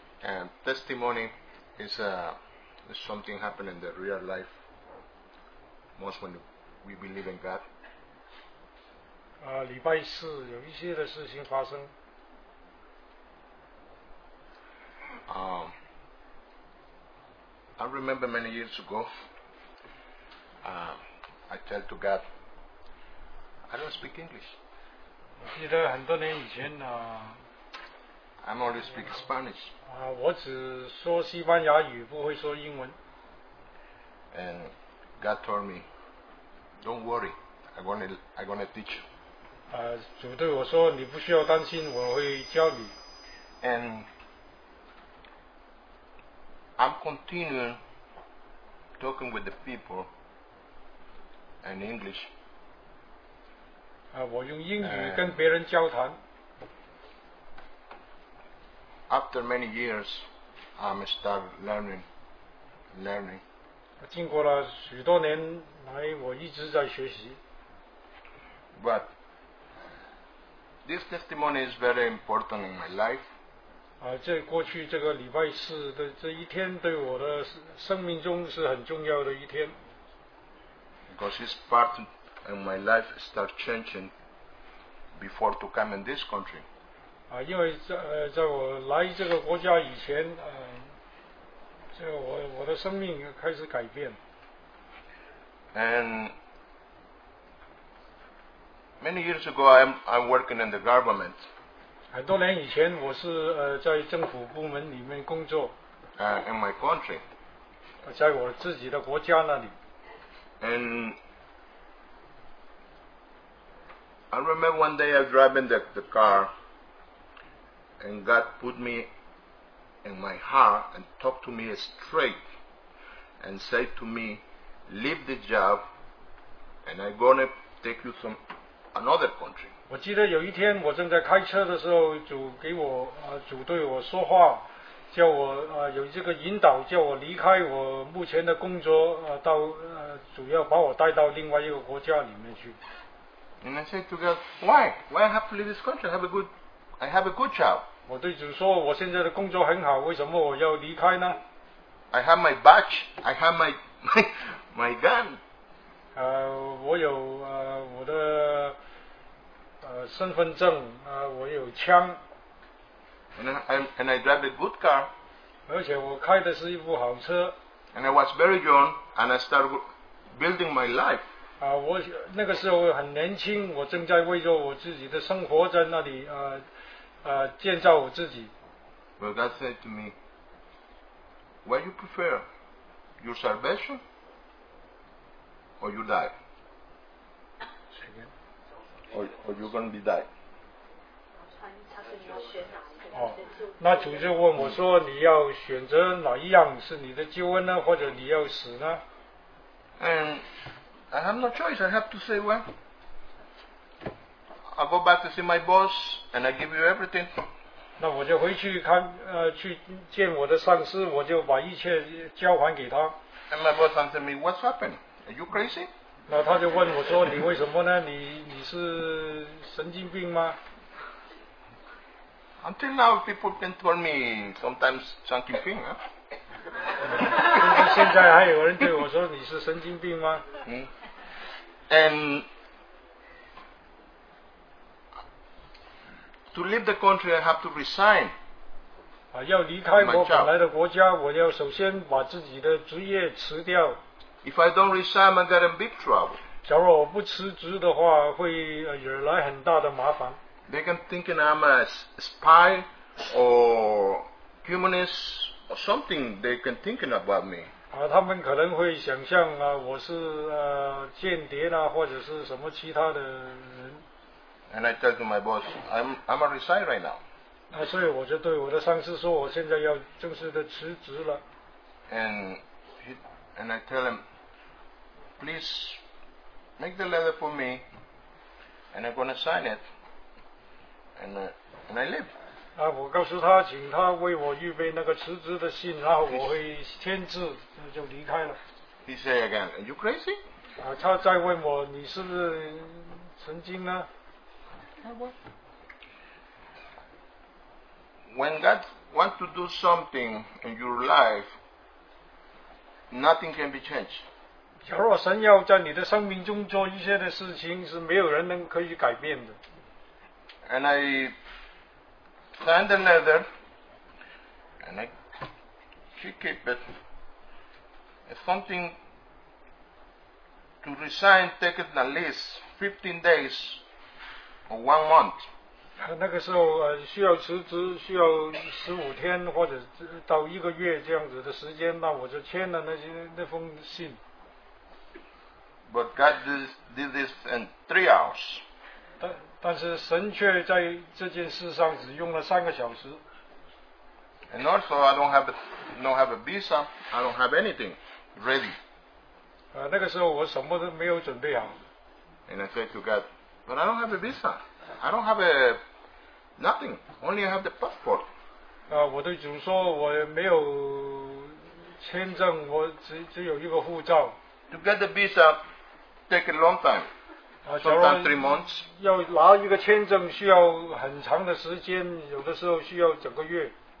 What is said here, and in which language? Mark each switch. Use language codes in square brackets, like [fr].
[en] And testimony is something happening in the real life, most when we believe in God. [zh] 礼拜四有一些的事情发生。 [en] I remember many years ago, I tell to God,I don't speak English. [zh] 我记得很多年以前啊。 [en] I'm only speak Spanish. [zh] 我只说西班牙语，不会说英文。 [en] And God told me, "Don't worry, I'm gonna teach you." [zh] 主对我说，你不需要担心，我会教你。 [en] And I'm continuing talking with the people in English. [zh] 我用英语跟别人交谈。 [en] After many years, started learning. [zh] 经过了许多年来，我一直在学习。 [en] But this testimony is very important in my life. [zh] 啊，这过去这个礼拜四的这一天，对我的生命中是很重要的一天。 [en] Because this part in my life start changing before to come in this country. [zh] 啊，因为在我来这个国家以前，这个我的生命开始改变。 [en] And many years ago, I'm working in the government. [zh] 很多年以前，我是在政府部门里面工作。 [en] In my country. [zh] 在我自己的国家那里。 [en] And I remember one day I was driving the car, and God put me in my heart and talked to me straight and said to me, leave the job and I'm going to take you to another country. [zh] 我记得有一天我正在开车的时候，主给我主对我说话，叫我有这个引导，叫我离开我目前的工作，到主要把我带到另外一个国家里面去。 [en] And I said to God, why I have to leave this country? I have a good job. [zh] 我对主说，我现在的工作很好，为什么我要离开呢？ [en] I have my badge, I have my gun. [zh] 我有我的身份证，我有枪。 [en] And I drive a good car. [zh] 而且我开的是一部好车。 [en] And I was very young, and I started building my life. [zh] 我那个时候很年轻，我正在为着我自己的生活在那里建造我自己。 [en] Well, God said to me, "What you prefer, your salvation or your life? Or you're going to be die?" [zh] 那主就问我说，你要选择哪一样，是你的救恩呢，或者你要死呢？ [en] And I have no choice. I have to say, well, I'll go back to see my boss and I give you everything. [zh] 那我就回去看去见我的上司，我就把一切交还给他。 [en] And my boss answered me, what's happened? Are you crazy? [zh] 那他就问我说，你为什么呢，你是神经病吗？ [en] Until now, people can call me sometimes junkie thing. [zh] 现在还有人对我说你是神经病吗？ [en] And to leave the country, I have to resign. [zh] 要离开我本来的国家，我要首先把自己的职业辞掉。 [en] If I don't resign, I'm getting big trouble. [zh] 假如我不辞职的话，会惹来很大的麻烦。 [en] They can think I'm a spy or communist or something. They can think about me. [zh] 他们可能会想象我是间谍啦，或者是什么其他的人。 [en] And I tell to my boss, I'm a resign right now. [zh] 所以我就对我的上司说，我现在要正式的辞职了。 [en] And I tell him, please make the letter for me, and I'm gonna sign it. And I live. [zh] 我告诉他，请他为我预备那个辞职的信，然后我会签字，就离开了。 [en] He said again, "Are you crazy?" [zh] 他再问我，你是不是神经呢？ [en] When God wants to do something in your life, nothing can be changed. [zh] 假如神要在你的生命中做一些的事情，是没有人能可以改变的。 [en] And I signed the letter, and she kept it. It's something to resign, take it at least 15 days or 1 month. [zh] 那个时候需要辞职，需要15天或者到一个月这样子的时间，那我就签了那封信。 [en] But God did this in 3 hours. [zh] 但是神却在这件事上只用了3个小时。 [en] And also, I don't have a visa. I don't have anything ready. [zh] 那个时候我什么都没有准备好。 [en] And I said to God, but I don't have a visa. I don't have nothing. Only I have the passport. [zh] 我对主说我没有签证，我 只有一个护照。 [en] To get the visa take a long time. Sometimes 3 months. [zh] 要拿一个签证需要很长的时间，有的时候需要整个月。